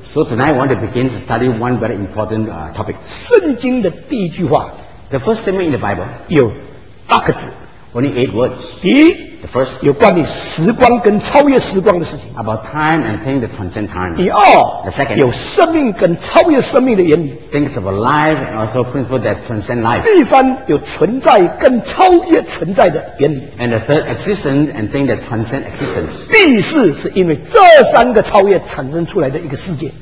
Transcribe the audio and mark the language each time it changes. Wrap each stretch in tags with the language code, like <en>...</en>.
<en>So tonight, I want to begin to study one very important topic.</en> <zh>圣经的第一句话</zh> <en>，the first statement in the Bible,</en> <zh>有八个字</zh> <en>，only eight words.</en> <zh>第一</zh> <en>，the first,</en> <zh>有关于时光跟超越时光的事情</zh> <en>，about time and things that transcend time.</en> <zh>第二</zh> <en>，the second,</en> <zh>有生命跟超越生命的原理</zh> <en>，things of life and also principles that transcend life.</en> <zh>第三，有存在跟超越存在的原理</zh> <en>，and the third, existence and things that transcend existence.</en> <zh>第四，是因为这三个超越产生出来的一个世界</zh>